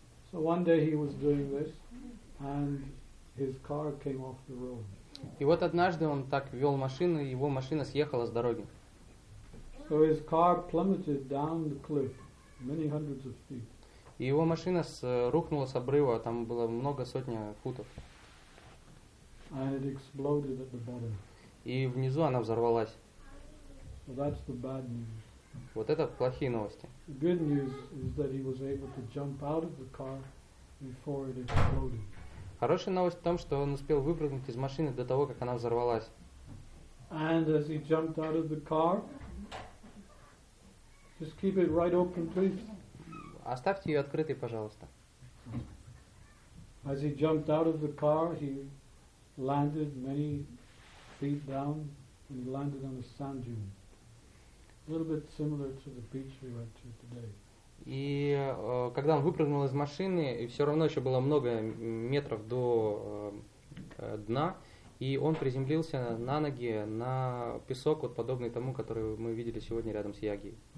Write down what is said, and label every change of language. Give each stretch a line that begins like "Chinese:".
English: So one day he was doing this, and his car came off the road.
Russian: И вот однажды он так вел машину, и его машина съехала с дороги.
English: So his car plummeted down the cliff, many hundreds of feet.
Russian: И его машина рухнула с обрыва, там было много сотни футов.
English: And it exploded at the bottom.
Russian: И внизу она взорвалась.
English: Well, that's the bad news.
Russian: Вот это плохие новости.
English: The good news is that he was able to jump out of the car before it exploded.
Russian: Хорошая новость в том, что он успел выпрыгнуть из машины до того, как она взорвалась.
English: And as he jumped out of the car, just keep it right open, please.
Russian: Оставьте ее открытой, пожалуйста.
English: As he jumped out of the car, he landed many feet down, and he landed on a sand dune. A little bit similar to the beach we went to today.
Russian: И когда он выпрыгнул из машины, и все равно еще было много метров до дна, и он приземлился на ноги на песок, вот подобный тому, который мы видели сегодня рядом с Яги.